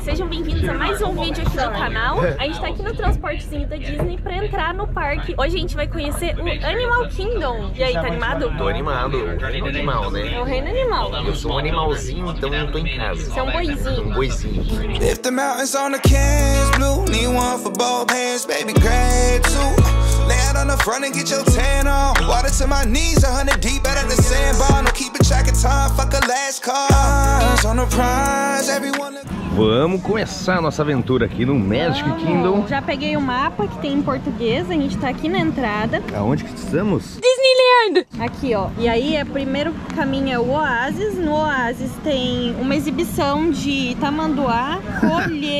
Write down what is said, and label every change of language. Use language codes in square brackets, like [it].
[pt] Sejam bem-vindos a mais um vídeo aqui do canal. A gente tá aqui no transportezinho da Disney pra entrar no parque. Hoje a gente vai conhecer o Animal Kingdom. E aí, tá animado? Tô animado, animal, né? É o reino animal. Eu sou um animalzinho, então eu tô em casa. Você é um boizinho. Um boizinho. [en] If the mountains on the cans blue, need one for both hands, baby, grab two. Lay out on the front and get your tan on. Water to my knees, 100 deep out of the sandbar. No keep a track of time, fuck a last call. On the prize, everyone. [pt] Vamos começar a nossa aventura aqui no Magic Kingdom. Já peguei o mapa que tem em português, a gente tá aqui na entrada. Aonde que estamos? Disneyland! Aqui, ó. E aí, o primeiro caminho é o Oasis. No Oasis tem uma exibição de tamanduá, coelho.